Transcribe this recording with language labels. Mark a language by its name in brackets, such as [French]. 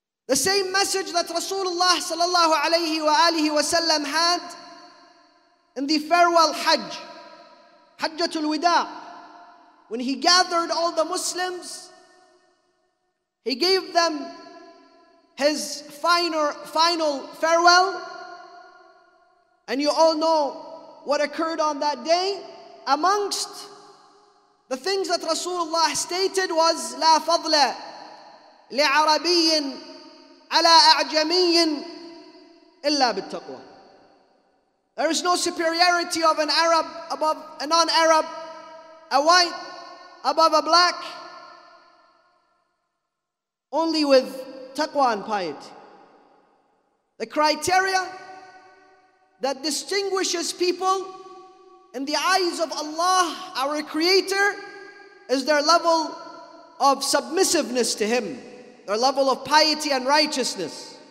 [English] The same message that Rasulullah sallallahu alayhi wa alihi wa sallam had in the farewell Hajj, Hajjatul Wida, when he gathered all the Muslims, he gave them his final farewell. And you all know what occurred on that day. Amongst the things that Rasulullah stated was, [Arabic] لا فضل لعربي على أعجمي إلا بالتقوى. [English] There is no superiority of an Arab above a non-Arab, a white above a black, only with taqwa and piety. The criteria that distinguishes people in the eyes of Allah, our Creator, is their level of submissiveness to Him, their level of piety and righteousness.